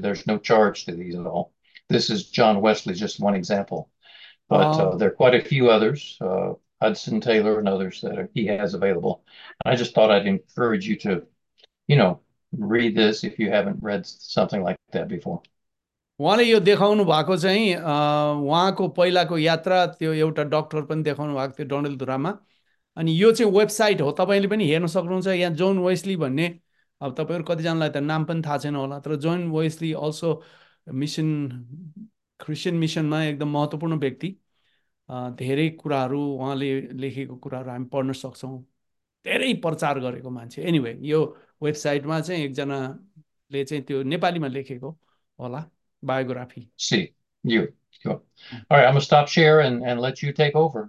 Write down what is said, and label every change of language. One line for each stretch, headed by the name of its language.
English: There's no charge to these at all. This is John Wesley, just one example. But there are quite a few others, Hudson Taylor and others that he has available. And I just thought I'd encourage you to, you know, read this if you haven't read something like that before.
Nepali: उहाँले यो देखाउनु भएको चाहिँ उहाँको पहिलाको यात्रा त्यो एउटा डक्टर पनि देखाउनु भएको थियो डन्डेलधुरामा अनि यो चाहिँ वेबसाइट हो तपाईँले पनि हेर्न सक्नुहुन्छ यहाँ जोन वेस्ली भन्ने अब तपाईँहरू कतिजनालाई त नाम पनि थाहा छैन होला तर John Wesley also mission Christian मिसनमा एकदम महत्त्वपूर्ण व्यक्ति धेरै कुराहरू उहाँले लेखेको कुराहरू हामी पढ्न सक्छौँ धेरै प्रचार गरेको मान्छे. एनिवे anyway, यो वेबसाइटमा चाहिँ एकजनाले चाहिँ त्यो नेपालीमा लेखेको होला biography.
English: See you. Cool. All right, I'm gonna stop share and let you take over.